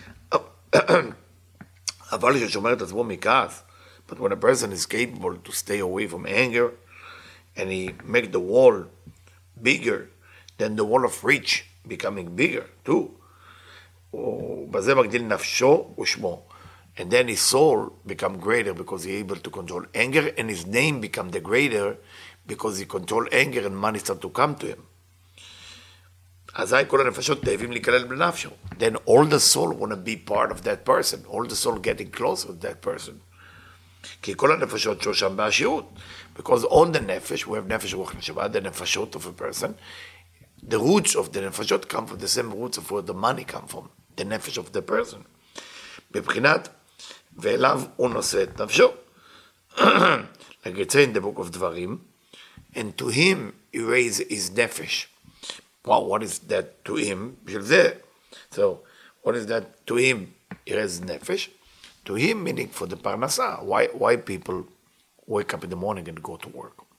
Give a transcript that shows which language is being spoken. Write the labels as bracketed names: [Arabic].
[English] But when a person is capable to stay away from anger, and he make the wall bigger, then the wall of reach becoming bigger too. [Hebrew] בזה מגדיל נפשו ושמו. [English] And then his soul become greater because he's able to control anger, and his name become the greater because he control anger and money start to come to him. [Hebrew] אזי כל הנפשות תאבים להיכלל בנפשו. [English] Then all the soul want to be part of that person. All the soul getting closer to that person. [Hebrew] כי כל הנפשות שושם בעשירות. [English] Because on the nefesh, we have nefesh ruach neshama, the nefeshot of a person, the roots of the nefeshot come from the same roots of where the money come from, the nefesh of the person. [Hebrew] בבחינת, ואליו הוא נושא את נפשו. [English] Like it's in the book of Dvarim, and to him he raised his nefesh. Well, what is that to him? So, what is that to him? He raised his nefesh. To him, meaning for the parnasa. Why people wake up in the morning and go to work?